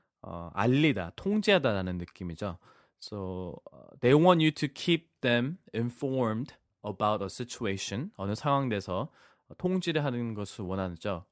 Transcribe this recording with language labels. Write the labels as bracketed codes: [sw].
[ko] 알리다, 통제하다라는 느낌이죠. [en] So they want you to keep them informed about a situation. [ko] 어느 상황에서 통지를 하는 것을 원하죠.